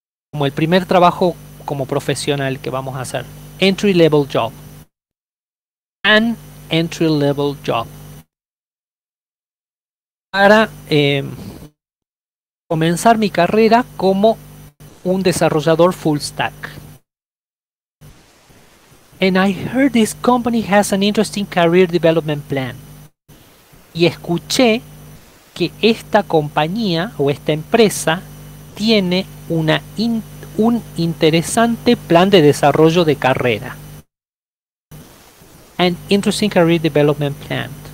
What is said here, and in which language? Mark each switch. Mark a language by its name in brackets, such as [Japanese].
[Spanish] Como el primer trabajo como profesional que vamos a hacer. [English] Entry level job. An entry level job. [Spanish] Para comenzar mi carrera como un desarrollador full stack. [English] And I heard this company has an interesting career development plan. [Spanish] Y escuché que esta compañía o esta empresa tiene un interesante plan de desarrollo de carrera. [English] An interesting career development plan.